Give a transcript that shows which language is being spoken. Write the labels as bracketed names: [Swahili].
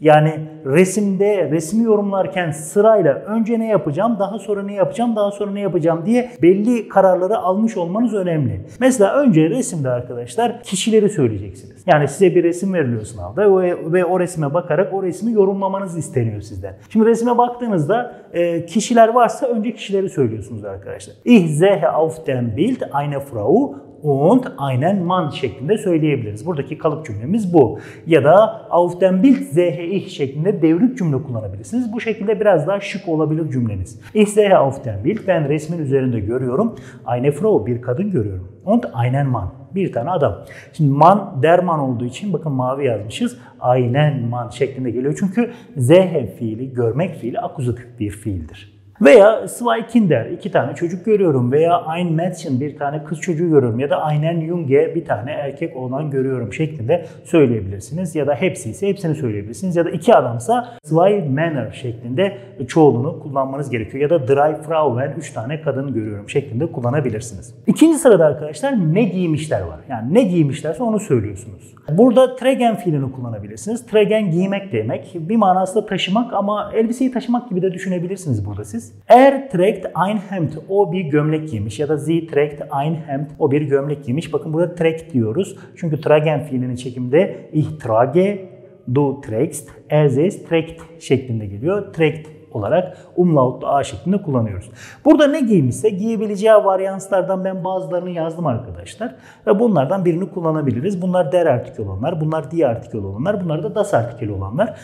[Turkish] Yani resimde resmi yorumlarken sırayla önce ne yapacağım, daha sonra ne yapacağım, daha sonra ne yapacağım diye belli kararları almış olmanız önemli. Mesela önce resimde arkadaşlar kişileri söyleyeceksiniz. Yani size bir resim veriliyor sınavda ve o resme bakarak o resmi yorumlamanız isteniyor sizden. Şimdi resime baktığınızda kişiler varsa önce kişileri söylüyorsunuz arkadaşlar. [German] Ich sehe auf dem Bild eine Frau und einen Mann [Turkish] şeklinde söyleyebiliriz. Buradaki kalıp cümlemiz bu. Ya da [German] auf dem Bild sehe ich [Turkish] şeklinde devrik cümle kullanabilirsiniz. Bu şekilde biraz daha şık olabilir cümleniz. [German] Ich sehe auf dem Bild, [Turkish] ben resmin üzerinde görüyorum. [German] Eine Frau, [Turkish] bir kadın görüyorum. [German] Und einen Mann, [Turkish] bir tane adam. Şimdi man derman olduğu için bakın mavi yazmışız. [German] Einen Mann [Turkish] şeklinde geliyor. Çünkü sehe fiili, görmek fiili akuzatif bir fiildir. Veya [German] zwei Kinder, [Turkish] iki tane çocuk görüyorum. Veya [German] ein Mädchen, [Turkish] bir tane kız çocuğu görüyorum. Ya da [German] einen Junge, [Turkish] bir tane erkek oğlan görüyorum şeklinde söyleyebilirsiniz. Ya da hepsi ise hepsini söyleyebilirsiniz. Ya da iki adamsa [German] zwei Männer [Turkish] şeklinde çoğulunu kullanmanız gerekiyor. Ya da [German] drei Frauen, [Turkish] üç tane kadın görüyorum şeklinde kullanabilirsiniz. İkinci sırada arkadaşlar ne giymişler var. Yani ne giymişlerse onu söylüyorsunuz. Burada tragen fiilini kullanabilirsiniz. Tragen giymek demek. Bir manası da taşımak ama elbiseyi taşımak gibi de düşünebilirsiniz burada. [German] Er trägt ein Hemd, [Turkish] o bir gömlek giymiş. Ya da [German] sie trägt ein Hemd, [Turkish] o bir gömlek giymiş. Bakın burada trägt diyoruz. Çünkü tragen fiilinin çekiminde [German] ich trage, du trägst, er sie trägt [Turkish] şeklinde geliyor. Trägt olarak umlautlu A şeklinde kullanıyoruz. Burada ne giymişse giyebileceği varyanslardan ben bazılarını yazdım arkadaşlar. Ve bunlardan birini kullanabiliriz. Bunlar der artikel olanlar, bunlar die artikel olanlar, bunlar da das artikel olanlar.